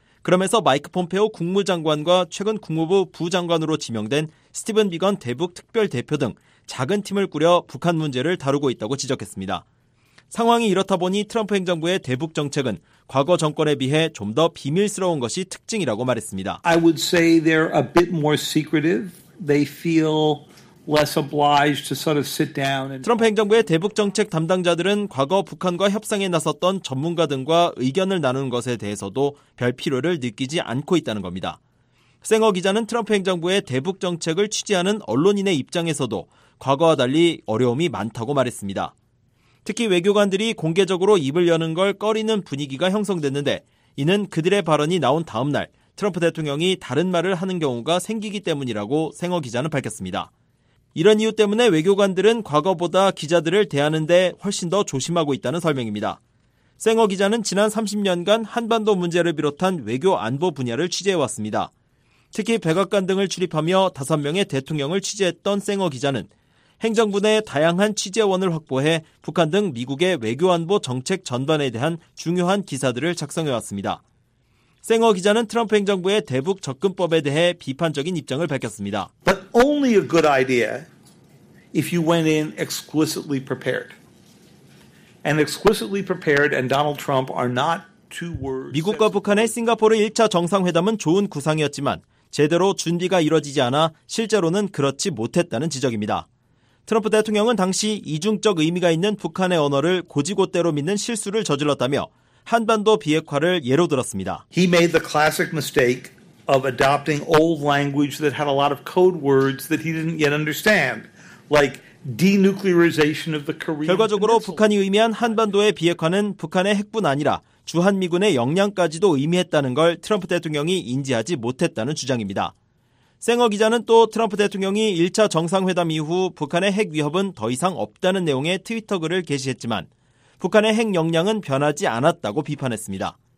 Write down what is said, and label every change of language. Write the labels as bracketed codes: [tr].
[ko] 그러면서 마이크 폼페오 국무장관과 최근 국무부 부장관으로 지명된 스티븐 비건 대북 특별대표 등 작은 팀을 꾸려 북한 문제를 다루고 있다고 지적했습니다. 상황이 이렇다 보니 트럼프 행정부의 대북 정책은 과거 정권에 비해 좀 더 비밀스러운 것이 특징이라고 말했습니다. [en] I would say they're a bit more secretive. They feel less obliged to sort of sit down and [ko] 트럼프 행정부의 대북 정책 담당자들은 과거 북한과 협상에 나섰던 전문가 등과 의견을 나누는 것에 대해서도 별 필요를 느끼지 않고 있다는 겁니다. 생어 기자는 트럼프 행정부의 대북 정책을 취재하는 언론인의 입장에서도 과거와 달리 어려움이 많다고 말했습니다. 특히 외교관들이 공개적으로 입을 여는 걸 꺼리는 분위기가 형성됐는데 이는 그들의 발언이 나온 다음 날 트럼프 대통령이 다른 말을 하는 경우가 생기기 때문이라고 생어 기자는 밝혔습니다. 이런 이유 때문에 외교관들은 과거보다 기자들을 대하는 데 훨씬 더 조심하고 있다는 설명입니다. 생어 기자는 지난 30년간 한반도 문제를 비롯한 외교 안보 분야를 취재해왔습니다. 특히 백악관 등을 출입하며 5명의 대통령을 취재했던 생어 기자는 행정부 내 다양한 취재원을 확보해 북한 등 미국의 외교 안보 정책 전반에 대한 중요한 기사들을 작성해왔습니다. 생어 기자는 트럼프 행정부의 대북 접근법에 대해 비판적인 입장을 밝혔습니다. [en] But only a good idea if you went in exquisitely prepared. And exquisitely prepared and Donald Trump are not [ko] 미국과 북한의 싱가포르 1차 정상회담은 좋은 구상이었지만 제대로 준비가 이뤄지지 않아 실제로는 그렇지 못했다는 지적입니다. 트럼프 대통령은 당시 이중적 의미가 있는 북한의 언어를 곧이곧대로 믿는 실수를 저질렀다며 한반도 비핵화를 예로 들었습니다. [en] He made the classic mistake of adopting old language that had a lot of code words that he didn't yet understand, like denuclearization of the Korean. [ko] 결과적으로 북한이 의미한 한반도의 비핵화는 북한의 핵뿐 아니라 주한미군의 역량까지도 의미했다는 걸 트럼프 대통령이 인지하지 못했다는 주장입니다. 생어 기자는 또 트럼프 대통령이 1차 정상회담 이후 북한의 핵 위협은 더 이상 없다는 내용의 트위터 글을 게시했지만 북한의 핵 역량은 변하지 않았다고 비판했습니다.